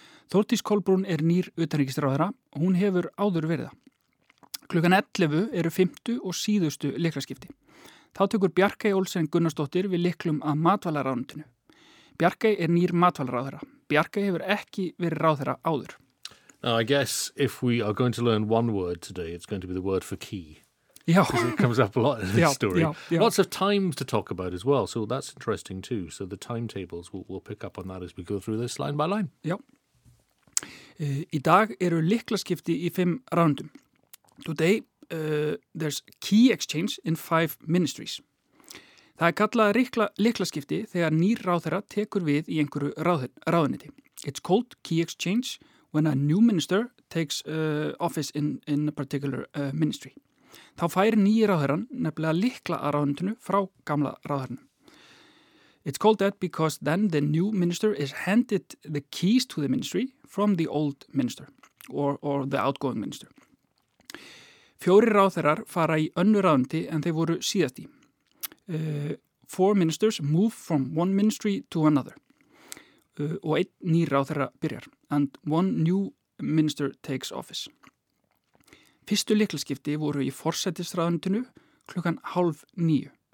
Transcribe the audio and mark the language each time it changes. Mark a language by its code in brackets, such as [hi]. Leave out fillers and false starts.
[is] Þórdís Kolbrún nýr utanríkisráðherra. Hún hefur áður verið það. Klukkan 11 eru fimmtu og síðustu lyklaskipti. Þá tekur Bjarkey Olsen Gunnarsdóttir við lyklum að matvælaráðuneytinu. Bjarkey nýr matvælaráðherra. Bjarkey hefur ekki verið ráðherra áður. [en] Now I guess if we are going to learn one word today, it's going to be the word for key. Yeah. It comes up a lot in this story. Yeah. Lots of times to talk about as well, so that's interesting too. So the timetables, we'll pick up on that as we go through this line by line. [is] Já. Í dag eru lyklaskipti í fimm ráðuneytum. [en] Today, there's key exchange in five ministries. [is] Það er kallað lyklaskipti þegar nýr ráðherra tekur við í einhverju ráðuneyti. [en] It's called key exchange when a new minister takes office in a particular ministry. [is] Þá fær nýi ráðherran nefnilega lykla að ráðuneytinu frá gamla ráðherranum. [en] It's called that because then the new minister is handed the keys to the ministry from the old minister or the outgoing minister. [is] Fjórir ráðherrar fara í önnur ráðuneyti en þeir voru síðast í. [en] Four ministers move from one ministry to another. [is] Og einn nýr ráðherra byrjar [en] and one new minister takes office. [is] Fyrstu lyklaskipti voru í forsætisráðuneytinu klukkan 8:30.